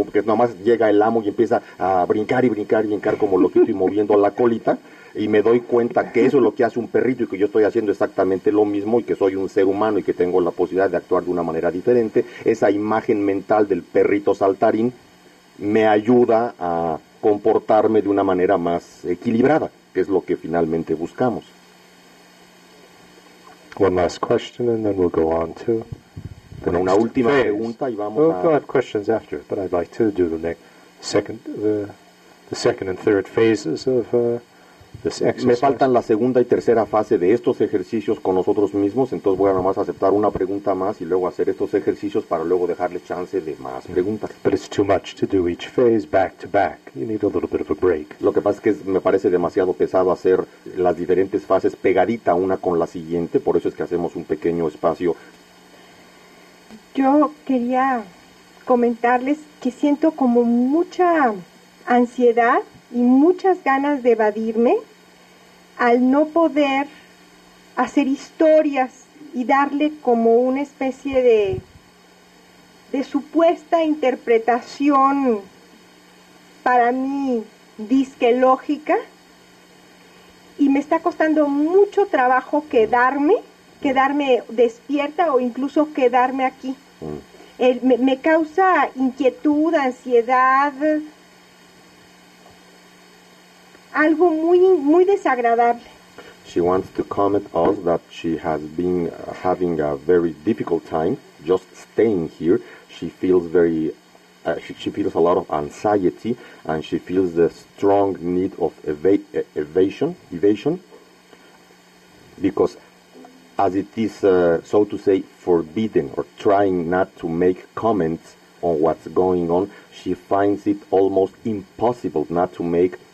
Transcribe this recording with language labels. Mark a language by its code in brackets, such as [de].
[es] Como que nomás llega el amo y empieza a brincar como loquito y moviendo la colita, y me doy cuenta que eso es lo que hace un perrito y que yo estoy haciendo exactamente lo mismo y que soy un ser humano y que tengo la posibilidad de actuar de una manera diferente, esa imagen mental del perrito saltarín me ayuda a comportarme de una manera más equilibrada, que es lo que finalmente buscamos. [en] One last question and then we'll go on to... [es] Bueno, una última pregunta y vamos a... [en] We'll have questions after, but I'd like to do the second and third phases of this exercise. [es] Me faltan la segunda y tercera fase de estos ejercicios con nosotros mismos, entonces voy a nomás aceptar una pregunta más y luego hacer estos ejercicios para luego dejarles chance de más preguntas. [en] But it's too much to do each phase back to back. You need a little bit of a break. [es] Lo que pasa es que me parece demasiado pesado hacer las diferentes fases pegadita una con la siguiente, por eso es que hacemos un pequeño espacio. Yo quería comentarles que siento como mucha ansiedad y muchas ganas de evadirme al no poder hacer historias y darle como una especie de supuesta interpretación para mí disque lógica, y me está costando mucho trabajo quedarme despierta o incluso quedarme aquí. Me causa inquietud, ansiedad, algo muy, muy desagradable. [en] She wants to comment us that she has been having a very difficult time just staying here. She feels she feels a lot of anxiety, and she feels the strong need of evasion, because as it is, so to say, forbidden or trying not to make comments on what's going on, she finds it almost impossible not to make